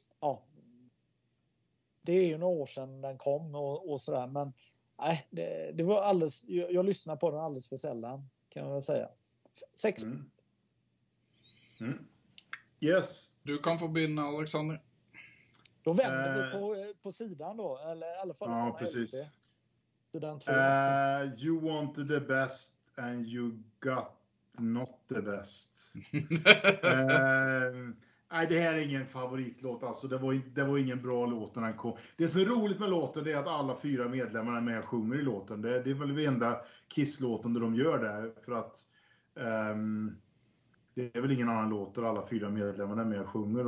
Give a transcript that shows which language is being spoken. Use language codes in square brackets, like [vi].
[sv] Ja, det är ju några år sedan den kom och sådär, men nej, det var alldeles, jag lyssnade på den alldeles för sällan, kan man väl säga. Sex. [en] Yes. [sv] Du kan få begynna, Alexander. Då vänder vi på sidan då, eller i alla fall. Ja, precis. Sidan två. [en] You wanted the best and you got not the best. [sv] Nej, det här är ingen favoritlåt. Alltså, det var ingen bra låt när den kom. Det som är roligt med låten är att alla fyra medlemmarna med sjunger i låten. Det är väl den enda Kiss-låten de gör där. För att det är väl ingen annan låt där alla fyra medlemmarna med sjunger.